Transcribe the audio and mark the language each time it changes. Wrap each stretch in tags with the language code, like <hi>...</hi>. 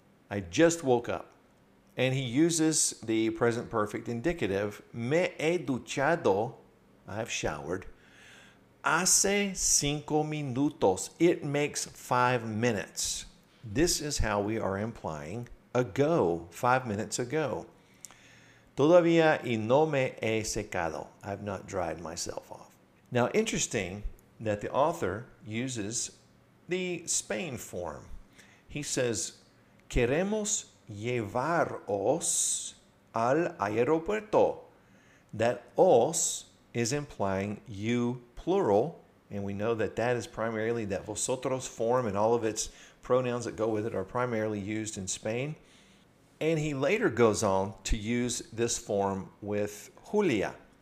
<en>I just woke up. And he uses the present perfect indicative.</en> <es>Me he duchado.</es> <en>I have showered.</en> <es>Hace cinco minutos.</es> <en>It makes 5 minutes. This is how we are implying ago, 5 minutes ago.</en> <es>Todavía y no me he secado.</es> <en>I've not dried myself off. Now, interesting that the author uses the Spain form. He says,</en> <es>queremos llevaros al aeropuerto.</es> <en>That os is implying you plural, and we know that that is primarily that vosotros form and all of its pronouns that go with it are primarily used in Spain. And he later goes on to use this form with Julia.</en>